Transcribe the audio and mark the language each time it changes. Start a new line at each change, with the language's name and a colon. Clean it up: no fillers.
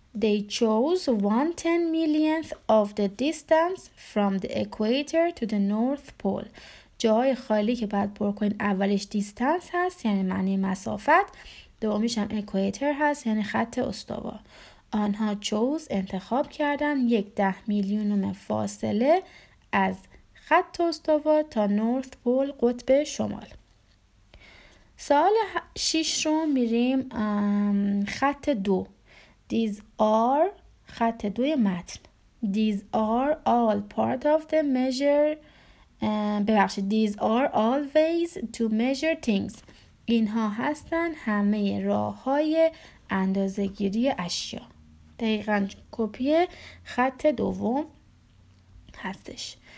English: They chose 1/10 millionth of the distance from the equator to the north pole.
Persian: جای خالی که باید پر کنید، اولش دیستانس هست یعنی معنی مسافت، دومیش هم اکویتر هست یعنی خط استوا. آنها چوز، انتخاب کردن، 1/10 میلیونم فاصله از خط استوا تا نورث پول، قطب شمال. سال 6 رو میریم خط 2.
English: These are،
Persian: خط 2 متن.
English: These are all part of the measure. ببخشید، these are all ways to measure things.
Persian: اینها هستن همه راه‌های اندازه‌گیری اشیا. دقیقاً کپی خط دوم هستش.